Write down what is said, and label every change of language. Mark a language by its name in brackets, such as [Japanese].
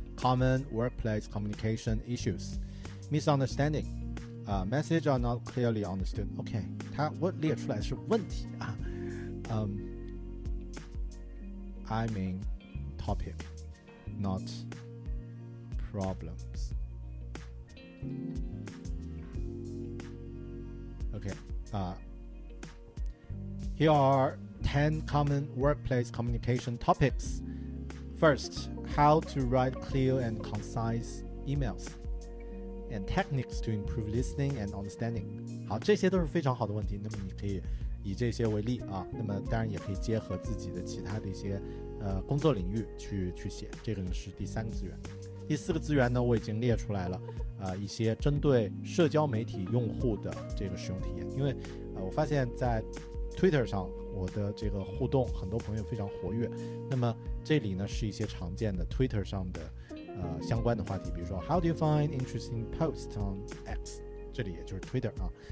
[English] Common workplace communication issues, misunderstanding, message are not clearly understood. [Chinese] OK， 它我列出来是问题啊。 [English] I mean topic, not problems. OK， here are 10 common workplace communication topics. First. How to write clear and concise emails and techniques to improve listening and understanding. [Chinese] 好，这些都是非常好的问题，那么你可以以这些为例啊，那么当然也可以结合自己的其他的一些工作领域去写。这个是第三个资源。第四个资源呢我已经列出来了，一些针对社交媒体用户的这个使用体验。因为我发现在 Twitter 上我的这个互动很多朋友非常活跃，那么这里呢是一些常见的 Twitter 上的相关的话题，比如说 [English] How do you find interesting posts on X， [Chinese] 这里也就是 Twitter 啊。